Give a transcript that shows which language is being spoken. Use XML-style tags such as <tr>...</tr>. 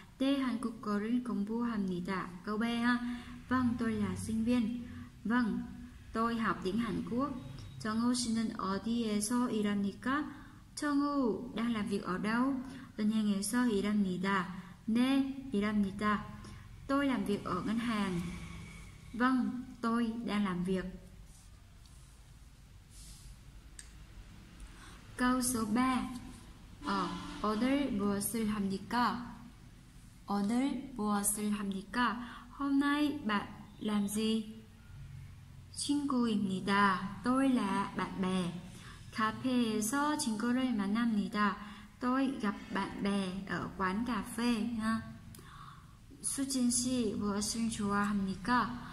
<ko>네, 한국어를 공부합니다.</ko> <vi>Câu B ha. Vâng, tôi là sinh viên. Vâng, tôi học tiếng Hàn Quốc.</vi> <ko>정우 씨는 어디에서 일합니까?</ko> <vi>정우 đang làm việc ở đâu?</vi> <ko>은행에서 일합니다. 네, 일합니다.</ko> <vi>Tôi làm việc ở ngân hàng. Vâng, tôi đang làm việc. Câu số 3.</vi> <ko>오늘 무엇을 합니까? 오늘 무엇을 합니까?</ko> <vi>Hôm nay bạn làm gì?</vi> <ko>친구입니다.</ko> <vi>Tôi là bạn bè.</vi> <ko>카페에서 친구를 만납니다.</ko> <vi>Tôi gặp bạn bè ở quán cà phê.</vi> <ko>수진 씨 무엇을 좋아합니까?</ko>